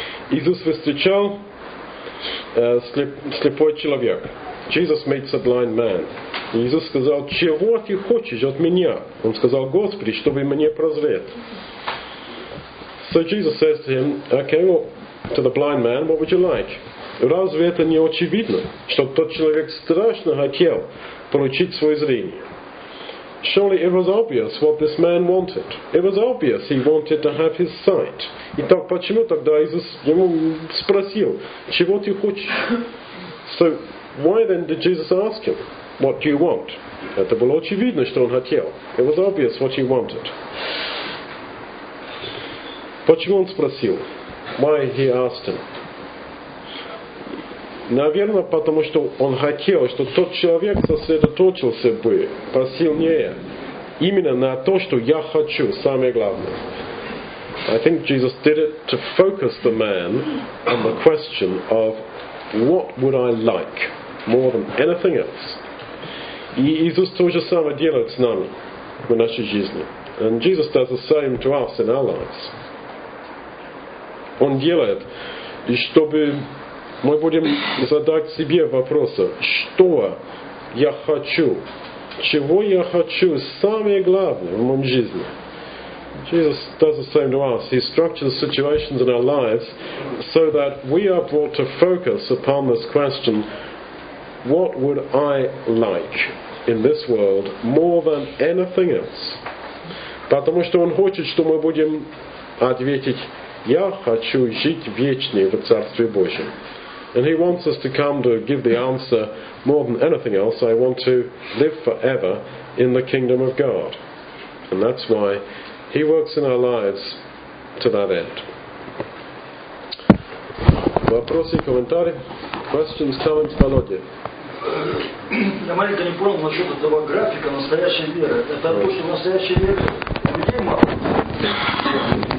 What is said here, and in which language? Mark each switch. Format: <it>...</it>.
<ru>Иисус встречал слепой человек.</ru> <en>Jesus meets a blind man.</en> <ru>Иисус сказал, чего ты хочешь от меня? Он сказал, Господи, чтобы мне прозрел.</ru> <en>So Jesus says to him, okay, well, to the blind man, what would you like?</en> <ru>Разве это не очевидно, что тот человек страшно хотел получить свое зрение?</ru> <en>Surely it was obvious what this man wanted. It was obvious he wanted to have his sight.</en> <ru>Итак, почему тогда Иисус ему спросил, чего ты хочешь?</ru> <en>So, why then did Jesus ask him, what do you want?</en> <ru>Это было очевидно, что он хотел.</ru> <en>It was obvious what he wanted.</en> <ru>Почему он спросил?</ru> <en>Why he asked him?</en> <ru>Наверное, потому что он хотел, что тот человек сосредоточился бы посильнее именно на то, что я хочу, самое главное.</ru> <en>I think Jesus did it to focus the man on the question of what would I like more than anything else.</en> <ru>И Иисус то же самое делает с нами в нашей жизни.</ru> <en>And Jesus does the same to us in our lives.</en> <ru>Он делает, чтобы мы будем задать себе вопросы, что я хочу, чего я хочу, самое главное в моем жизни.</ru> <en>Jesus does the same to us. He structures situations in our lives so that we are brought to focus upon this question, what would I like in this world more than anything else?</en> <ru>Потому что он хочет, что мы будем ответить, я хочу жить вечно в Царстве Божьем.</ru> <en>And he wants us to come to give the answer, more than anything else, I want to live forever in the kingdom of God. And that's why he works in our lives to that end.</en> <ru>Вопросы, комментарии?</ru> <en>Questions, comments,</en> <ru>Володя? Я маленько не понял насчет этого графика настоящей веры. Это то, что настоящей веры людей мало.</ru>